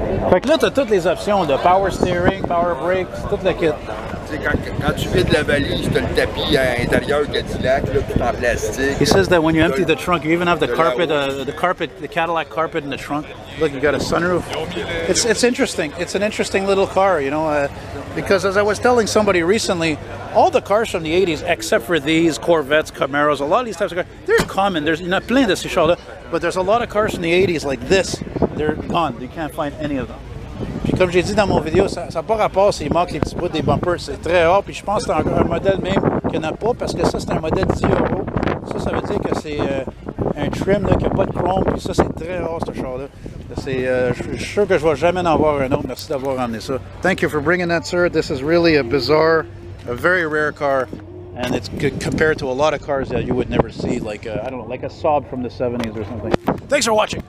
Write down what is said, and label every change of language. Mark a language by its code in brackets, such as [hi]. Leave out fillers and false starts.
[fr] Fait que là, t'as toutes les options, de power steering, power brakes, tout le kit. Quand tu vides la valise, t'as le tapis à l'intérieur Cadillac, là, tout en plastique. [en] He says that when you empty the trunk, you even have the Cadillac carpet in the trunk. Look, you got a sunroof. It's interesting. It's an interesting little car, you know, because as I was telling somebody recently, all the cars from the 80s, except for these Corvettes, Camaros, a lot of these types of cars, they're common. There's not [fr] plein de ces choses, [en] but there's a lot of cars from the 80s like this. They're gone. You can't find any of them. [fr] Puis comme j'ai dit dans mon vidéo, ça n'a pas rapport s'il manque les petits bouts des bumpers. C'est très rare. Puis je pense que c'est encore un modèle même qu'il n'y en a pas, parce que ça, c'est un modèle 10 euros. Ça veut dire que c'est un trim qui n'a pas de chrome. Puis ça, c'est très rare, ce char-là. Je suis sûr que je ne vais jamais en avoir un autre. Merci d'avoir ramené ça. [en] Thank you for bringing that, sir. This is really a bizarre, a very rare car. And it's good compared to a lot of cars that you would never see, like a Saab from the 70s or something. Thanks for watching.